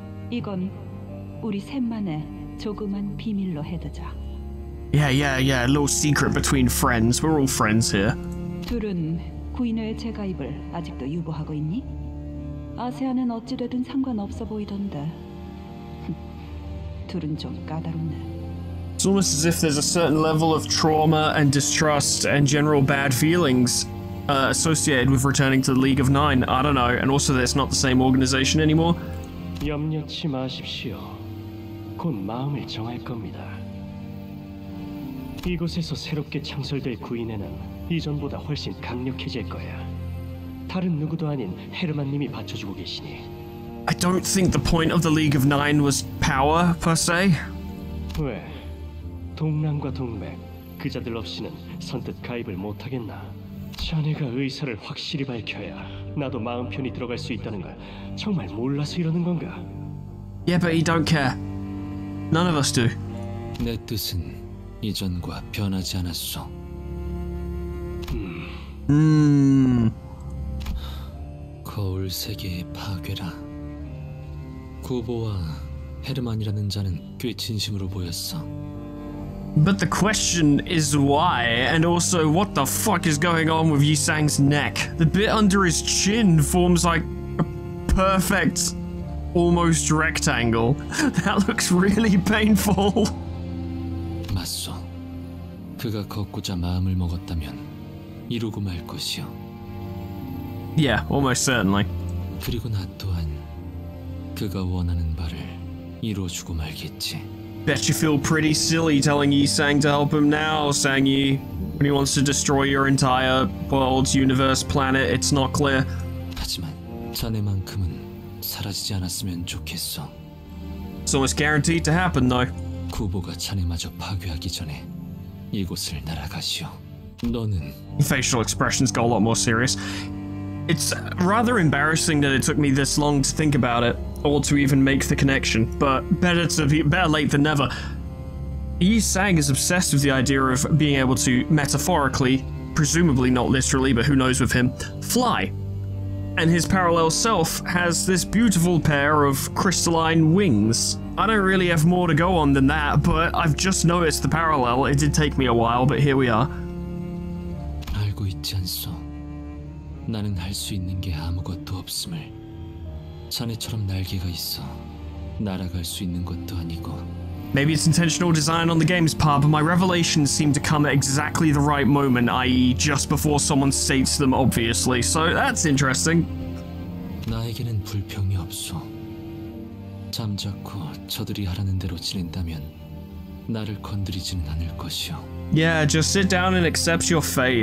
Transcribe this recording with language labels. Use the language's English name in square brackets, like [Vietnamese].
[Korean] 이건 우리 셋만의 조그만 비밀로 해두자. [English] Yeah, a little secret between friends. We're all friends here. [Korean] 둘은 구인회의 재가입을 아직도 유보하고 있니? 아세안은 어찌되든 상관없어 보이던데. 둘은 좀 까다롭네. [English] It's almost as if there's a certain level of trauma and distrust and general bad feelings associated with returning to the League of Nine. I don't know, and also that it's not the same organization anymore. [Korean] 염려치 마십시오. 곧 마음을 정할 겁니다. 이곳에서 새롭게 창설될 구인회는 이전보다 훨씬 강력해질 거야. 다른 누구도 아닌 헤르만님이 받쳐주고 계시니. [English] I don't think the point of the League of Nine was power, per se. [Korean] 왜? 동랑과 동맥, 그 자들 없이는 선뜻 가입을 못하겠나? 자네가 의사를 확실히 밝혀야 나도 마음 편히 들어갈 수 있다는 걸 정말 몰라서 이러는 건가? [English] Yeah, but he don't care. None of us do. [Korean] 내 뜻은 이전과 변하지 않았어. 거울 세계의 파괴라. 구보와 헤르만이라는 자는 꽤 진심으로 보였어. [English] But the question is why, and also what the fuck is going on with Yisang's neck? The bit under his chin forms like a perfect, almost rectangle. That looks really painful. [Korean] 맞소. 그가 걷고자 마음을 먹었다면 이루고 말 것이요. [English] Yeah, almost certainly. [Korean] 그리고 나 또한 그가 원하는 바를 이루어주고 말겠지. [English] Bet you feel pretty silly telling Yisang to help him now, Sang-yi. When he wants to destroy your entire world, universe, planet, it's not clear. [Korean] 하지만 자네만큼은 사라지지 않았으면 좋겠어. [English] It's almost guaranteed to happen, though. [Korean] 구보가 자네마저 파괴하기 전에 이곳을 날아가시오. 너는... [English] Facial expressions got a lot more serious. It's rather embarrassing that it took me this long to think about it. Or to even make the connection, but better late than never. Yisang is obsessed with the idea of being able to metaphorically, presumably not literally, but who knows with him, fly. And his parallel self has this beautiful pair of crystalline wings. I don't really have more to go on than that, but I've just noticed the parallel. It did take me a while, but here we are. [Korean] 알고 있지 않소. 나는 할 수 있는 게 아무것도 없음을. 자네처럼 날개가 있어 날아갈 수 있는 것도 아니고. [English] Maybe it's intentional design on the game's part, but my revelations seem to come at exactly the right moment, i.e. just before someone states them, obviously. So that's interesting. [Korean] 나에게는 불평이 없어. 잠자코 저들이 하라는 대로 지낸다면 나를 건드리지는 않을 것이오. [English] Yeah, just sit down and accept your fate.